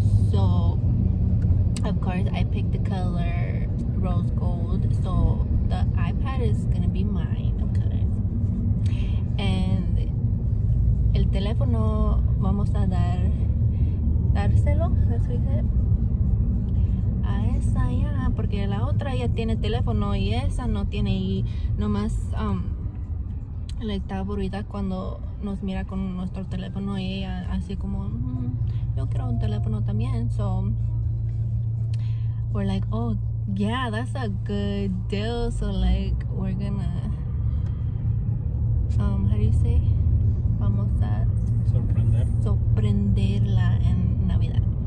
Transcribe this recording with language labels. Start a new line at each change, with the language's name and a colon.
English: So of course I picked the color rose gold, so the iPad is gonna be mine, okay?
Spanish: And el teléfono vamos a dárselo,
English: that's what you said,
Spanish: a esa ya, porque la otra ya tiene teléfono y esa no tiene, y nomás le está aburrida cuando nos mira con nuestro teléfono y ella así como, yo quiero un teléfono también.
English: So we're like, oh yeah, that's a good deal. So like, we're gonna how do you say,
Spanish: vamos a sorprenderla en Navidad.